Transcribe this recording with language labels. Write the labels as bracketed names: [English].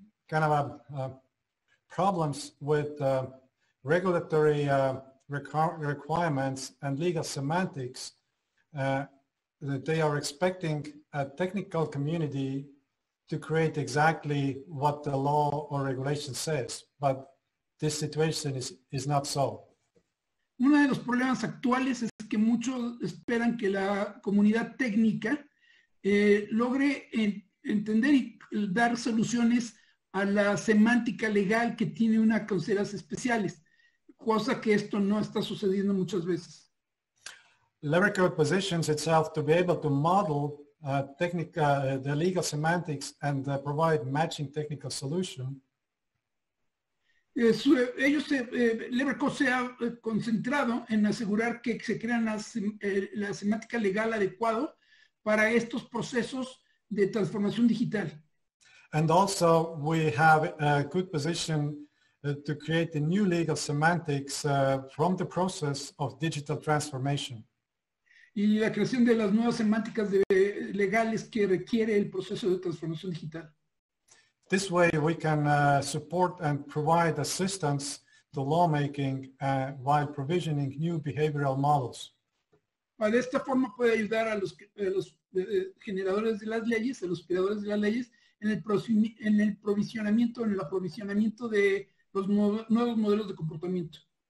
[English] The problems with regulatory requirements and legal semantics, that they are expecting a technical community to create exactly what the law or regulation says, but this situation is not so. [Spanish] Uno de los problemas actuales es que muchos esperan que la comunidad técnica logre entender y dar soluciones a la semántica legal que tiene una consideración especiales. Cosa que esto no está sucediendo muchas veces. [English] Leverkurt positions itself to be able to model the legal semantics and provide matching technical solution. [Spanish] Leverkurt se ha concentrado en asegurar que se crean la semántica legal adecuado para estos procesos de transformación digital. [English] And also we have a good position to create the new legal semantics from the process of digital transformation. [Spanish] Y la creación de las nuevas semánticas legales que requiere el proceso de transformación digital. [English] This way we can support and provide assistance to lawmaking while provisioning new behavioral models. [Spanish] De esta forma puede ayudar a los generadores de las leyes, a los creadores de las leyes, en el aprovisionamiento de los nuevos modelos de comportamiento.